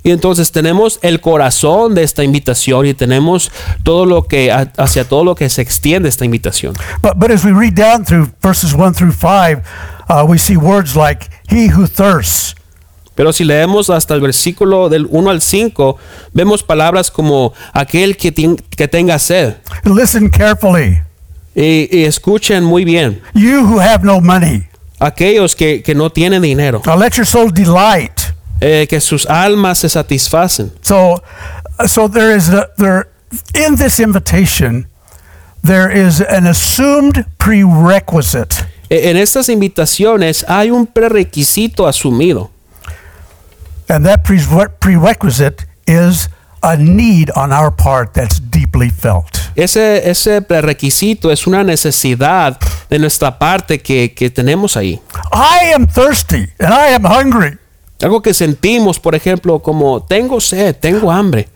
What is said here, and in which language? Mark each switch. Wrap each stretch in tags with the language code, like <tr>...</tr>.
<es>Y entonces tenemos el corazón de esta invitación y tenemos todo lo que hacia todo lo que se extiende esta invitación.</es> <en>But as we read down through verses 1 through 5, we see words like he who thirsts.</en> <es>Pero si leemos hasta el versículo del 1 al 5, vemos palabras como aquel que tenga sed.</es> <en>Listen carefully.</en> <es>Y escuchen muy bien.</es> <en>You who have no money.</en> <es>Aquellos que no tienen dinero.</es> <en>Let your soul delight.</en> <es>Que sus almas se satisfacen.</es> <en>So there is in this invitation, there is an assumed prerequisite.</en> <es>En estas invitaciones hay un prerequisito asumido.</es> <en>And that prerequisite is a need on our part that's deeply felt.</en> <es>Ese prerequisito es una necesidad de nuestra parte que tenemos ahí.</es> <en>I am thirsty and I am hungry.</en> <es>Algo que sentimos, por ejemplo, como tengo sed, tengo hambre.</es>